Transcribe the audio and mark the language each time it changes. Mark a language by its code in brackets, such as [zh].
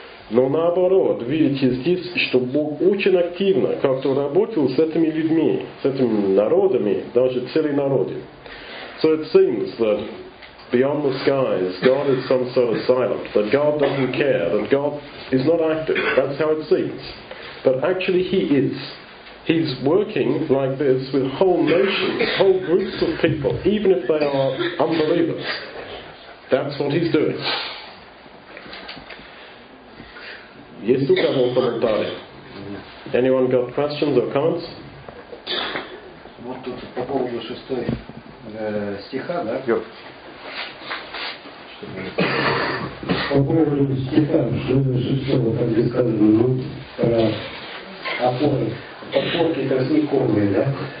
[ru] Но наоборот, видите здесь, что Бог очень активно как-то работал с этими людьми, с этими народами, даже целые народы. [en] So it seems that beyond the skies, God is some sort of silent, that God doesn't care, that God is not active. That's how it seems. But actually He is. He's working like this with whole nations, whole groups of people, even if they are unbelievers. That's what He's doing. [ru] Есть у кого комментарии? [en] Anyone got questions or comments? [ru] Вот тут по поводу шестой стиха, да? По поводу стиха шестого, как здесь сказано, ну, опоры, подпорки тростниковые, да?